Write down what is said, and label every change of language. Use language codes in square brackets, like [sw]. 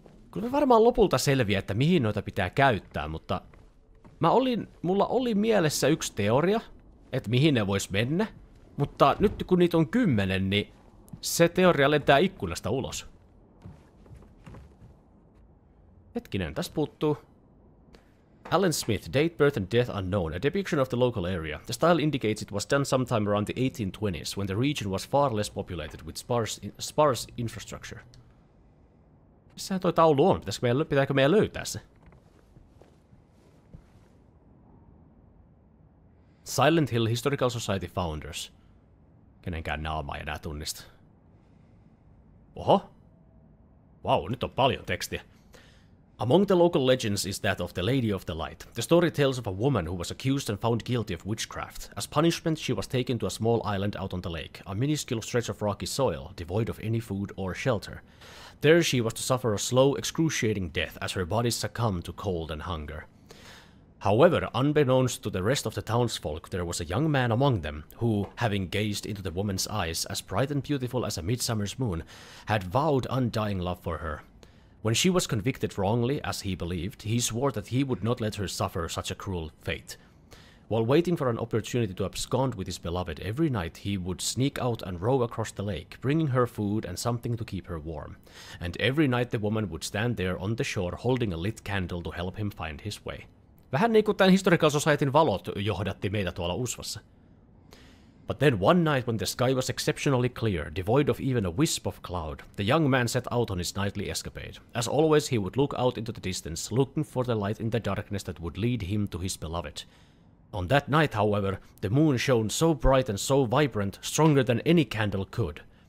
[fi] Kyllä me varmaan lopulta selviä, että mihin noita pitää käyttää, mutta... mulla oli mielessä yksi teoria, että mihin ne vois mennä. Mutta nyt kun niitä on 10, niin se teoria lentää ikkunasta ulos. Hetkinen, tästä puuttuu. [en] Alan Smith, date, birth and death unknown, a depiction of the local area. The style indicates it was done sometime around the 1820s, when the region was far less populated with sparse infrastructure. [fi] Missähän toi taulu on? Pitääkö meidän löytää se? Silent Hill Historical Society Founders. Kenenkään naama ei enää tunnista. Oho! Wow, nyt on paljon tekstiä. [en] Among the local legends is that of the Lady of the Light. The story tells of a woman who was accused and found guilty of witchcraft. As punishment, she was taken to a small island out on the lake, a minuscule stretch of rocky soil, devoid of any food or shelter. There she was to suffer a slow, excruciating death as her body succumbed to cold and hunger. However, unbeknownst to the rest of the townsfolk, there was a young man among them who, having gazed into the woman's eyes, as bright and beautiful as a midsummer's moon, had vowed undying love for her. When she was convicted wrongly, as he believed, he swore that he would not let her suffer such a cruel fate. While waiting for an opportunity to abscond with his beloved, every night he would sneak out and row across the lake, bringing her food and something to keep her warm. And every night the woman would stand there on the shore holding a lit candle to help him find his way. [fi] Vähän niin kuin tämän Historical Societyn valot johdatti meitä tuolla Usvassa. [en] But then one night when the sky was exceptionally clear, devoid of even a wisp of cloud, the young man set out on his nightly escapade. As always, he would look out into the distance, looking for the light in the darkness that would lead him to his beloved. On that night, however, the moon shone so bright and so vibrant, stronger than any candle could.